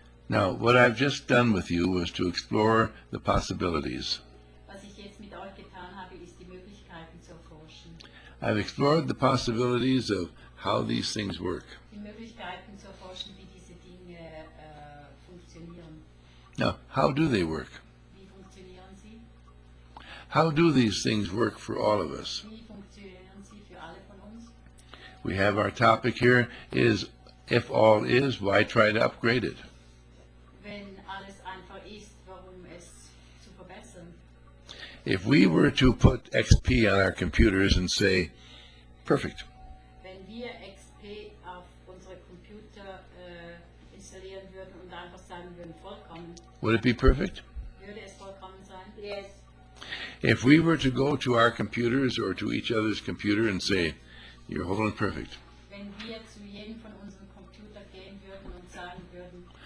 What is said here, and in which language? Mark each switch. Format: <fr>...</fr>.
<en>Now, what I've just done with you was to explore the possibilities.</en> <de>Was ich jetzt mit euch getan habe, ist die Möglichkeiten zu erforschen.</de> <en>I've explored the possibilities of how these things work.</en> <de>Die Möglichkeiten zu erforschen, wie diese Dinge funktionieren.</de> <en>Now, how do they work?</en> <de>Wie funktionieren sie?</de> <en>How do these things work for all of us?</en> <de>Wie funktionieren sie für alle von uns?</de> <en>We have our topic here is, if all is, why try to upgrade it?</en> <de>Wenn alles einfach ist, warum es zu verbessern?</de> <en>If we were to put XP on our computers and say, perfect.</en> <de>Wenn wir XP auf unsere Computer installieren würden und einfach sagen würden, vollkommen.</de> <en>Would it be perfect?</en> <de>Würde es vollkommen sein?</de> <en>Yes. If we were to go to our computers or to each other's computer and say, you're holding perfect.</en> <de>Wenn wir zu jedem von unseren Computer gehen würden und sagen würden,</de>